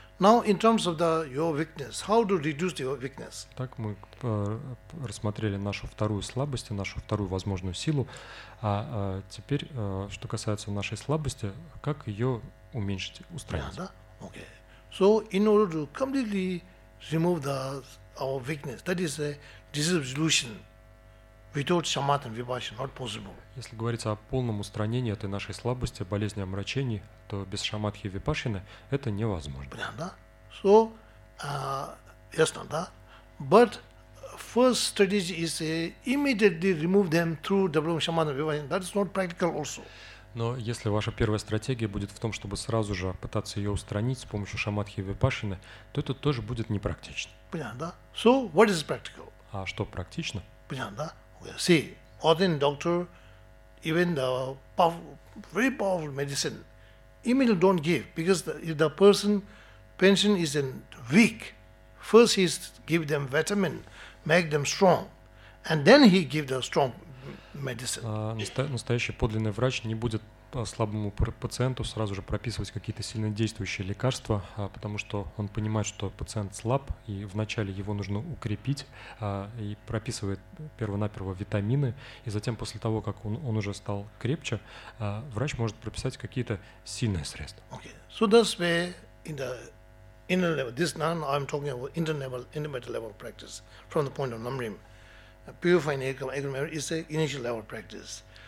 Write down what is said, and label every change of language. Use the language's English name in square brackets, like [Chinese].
[English] Now in terms of the your weakness, how to reduce your weakness? [Russian] Так мы рассмотрели нашу вторую слабость, нашу вторую возможную силу, теперь, что касается нашей слабости, как ее уменьшить, устранить? Да, окей. [English] So in order to completely remove our weakness, that is a disease of delusion, without shamatha and vipassana, not possible. [Russian] Если говорить о полном устранении этой нашей слабости, болезни омрачений, то без шамадхи и випашины это невозможно. Понятно, да? So, ясно, да? [English] But first strategy is immediately remove them through developing shamatha and vipassana. That is not practical also. [Russian] Но если ваша первая стратегия будет в том, чтобы сразу же пытаться ее устранить с помощью шамадхи и випашины, то это тоже будет непрактично. Понятно, да? So, what is practical? А что практично? Понятно, да? [English] See, often doctor, even the very powerful medicine, immediately don't give, because if the person, patient is weak, first he give them vitamin, make them strong, and then he give the strong [Russian] Настоящий подлинный врач не будет слабому пациенту сразу же прописывать какие-то сильнодействующие лекарства, потому что он понимает, что пациент слаб, и вначале его нужно укрепить, и прописывает первонаперво витамины, и затем после того, как он уже стал крепче, врач может прописать какие-то сильные средства. [English] Okay. So that's where in the inner level, this none I'm talking about inner level, intermediate level practice from the point of Namrim. Purifying egg is the initial level practice.